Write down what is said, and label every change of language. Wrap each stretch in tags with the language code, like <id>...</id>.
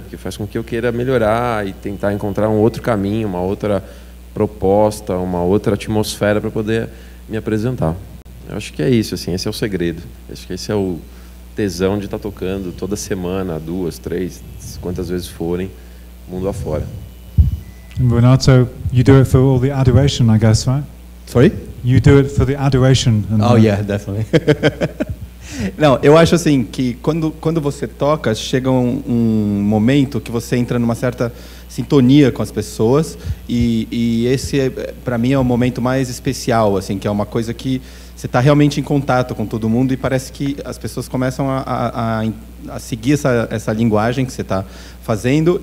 <pt>Porque faz com que eu queira melhorar e tentar encontrar um outro caminho, uma outra proposta, uma outra atmosfera para poder me apresentar. Eu acho que é isso, assim, esse é o segredo. Eu acho que esse é o tesão de estar tocando toda semana, duas, três, quantas vezes forem, mundo afora.</pt> <en>Renato, you do it for all the adoration, I guess, right? Sorry? You do it for the adoration. And oh, the... yeah, definitely.</en> <pt>Não, eu acho assim, que quando você toca, chega um momento que você entra numa certa sintonia com as pessoas, e esse, para mim, é o momento mais especial, assim, que é uma coisa que você está realmente em contato com todo mundo e parece que as pessoas começam a seguir essa linguagem que você está fazendo.</pt>